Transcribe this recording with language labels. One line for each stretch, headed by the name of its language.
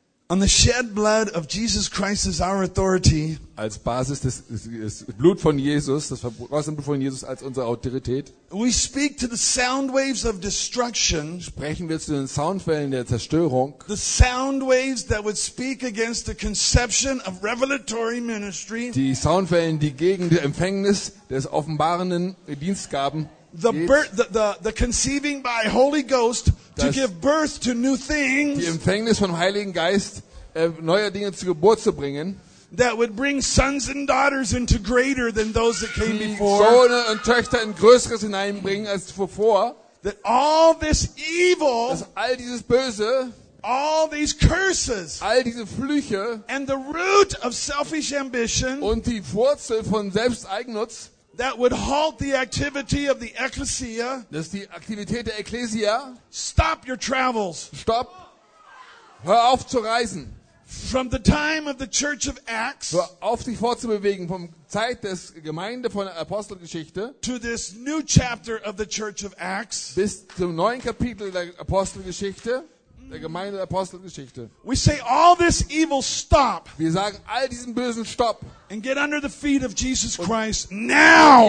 English: On the shed blood of Jesus Christ as our authority.
German: Als Basis des Blut von Jesus, das vergossene Blut von Jesus als unsere Autorität.
English: We speak to the sound waves of destruction.
German: Sprechen wir zu den Soundwellen der Zerstörung.
English: The sound waves that would speak against the conception of revelatory ministry.
German: Die Soundwellen, die gegen die Empfängnis des offenbarenden Dienstgaben.
English: The conceiving by Holy Ghost to give birth to new things.
German: Die Empfängnis vom Heiligen Geist, neue Dinge zur Geburt zu bringen.
English: That would bring sons and daughters into greater than those that came before.
German: Söhne und Töchter in Größeres hineinbringen als zuvor.
English: That all this evil,
German: dass all dieses Böse,
English: all these curses,
German: all diese Flüche,
English: and the root of selfish ambition,
German: und die Wurzel von Selbsteigennutz,
English: that would halt the activity of the ecclesia,
German: dass die Aktivität der Ekklesia,
English: stop your travels,
German: stopp, hör auf zu reisen.
English: From the time of the Church of Acts,
German: auf sich fortzubewegen vom Zeit des Gemeinde von Apostelgeschichte,
English: to this new chapter of the Church of Acts,
German: bis zum neuen Kapitel der Apostelgeschichte, der Gemeinde der Apostelgeschichte.
English: We say all this evil stop.
German: Wir sagen all diesen Bösen stopp.
English: And get under the feet of Jesus Christ now.